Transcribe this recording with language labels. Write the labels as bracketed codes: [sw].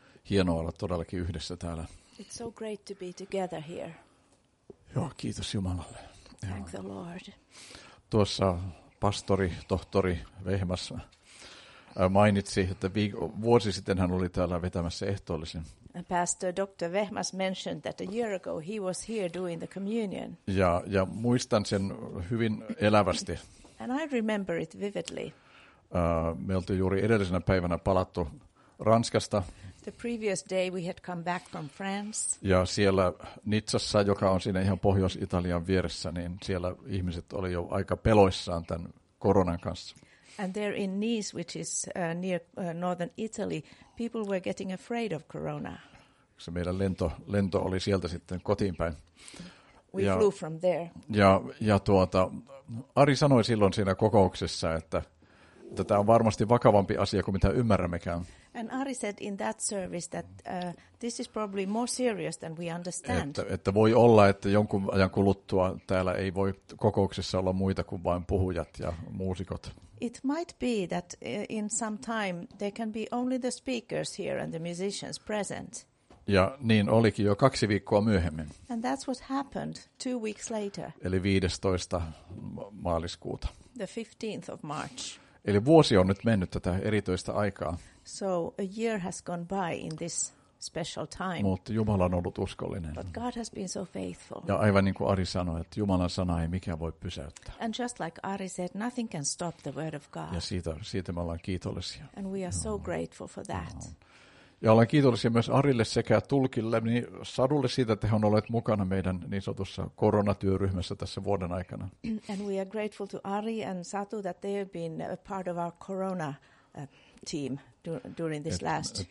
[fi] Hienoa olla todellakin yhdessä täällä. [en] It's so great to be together here. [fi] Joo, kiitos Jumalalle. [en] Thank the Lord. [fi] Tuossa pastori, tohtori Vehmas mainitsi, että vuosi sitten hän oli täällä vetämässä ehtoollisen. [en] Pastor Dr. Vehmas mentioned that a year ago he was here doing the communion. [fi] Ja muistan sen hyvin elävästi. [en] And I remember it vividly. [fi] Me oltiin juuri edellisenä päivänä palattu Ranskasta. [en] The previous day we had come back from France. [fi] Ja siellä Nitsassa, joka on siinä ihan Pohjois-Italian vieressä, niin siellä ihmiset oli jo aika peloissaan tämän koronan kanssa. [en] And there in Nice, which is near northern Italy, people were getting afraid of corona. [fi] Se meidän lento oli sieltä sitten kotiin päin. [en] We flew from there. [fi] Ja Ari sanoi silloin siinä kokouksessa, että tämä on varmasti vakavampi asia kuin mitä ymmärrämmekään. [en] And Ari said in that service that this is probably more serious than we understand. [fi] Että voi olla, että jonkun ajan kuluttua täällä ei voi kokouksessa olla muita kuin vain puhujat ja muusikot. [en] It might be that in some time there can be only the speakers here and the musicians present. [fi] Ja niin olikin jo 2 viikkoa myöhemmin. [en] And that's what happened 2 weeks later. [fi] Eli 15. maaliskuuta. [en] The 15th of March. [fi] Eli vuosi on nyt mennyt tätä erityistä aikaa. [en] So a year has gone by in this special time. [fi] Mutta Jumala on ollut uskollinen. [en] But God has been so faithful. [fi] Ja aivan niin kuin Ari sanoi, että Jumalan sana ei mikään voi pysäyttää. [en] And just like Ari said, nothing can stop the word of God. [fi] Ja siitä me ollaan kiitollisia. [en] And we are so grateful for that. [fi] Ja olen kiitollisia myös Arille sekä tulkille, niin Sadulle siitä, että he on olleet mukana meidän niin sanotussa koronatyöryhmässä tässä vuoden aikana. [en] And we are grateful to Ari and Satu that they have been a part of our corona team during this last year.